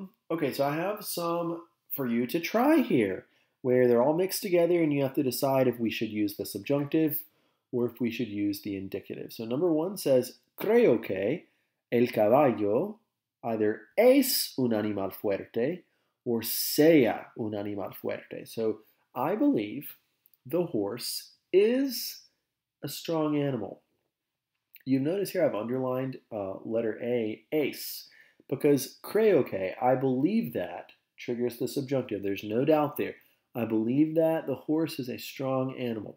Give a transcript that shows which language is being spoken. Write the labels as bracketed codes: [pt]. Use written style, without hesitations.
[en] Okay, so I have some for you to try here, where they're all mixed together and you have to decide if we should use the subjunctive or if we should use the indicative. So number one says, [es] creo que el caballo either es un animal fuerte or sea un animal fuerte. [en] So I believe the horse is a strong animal. You notice here I've underlined letter A, es, because [es] creo que, [en] I believe that, triggers the subjunctive. There's no doubt there. I believe that the horse is a strong animal.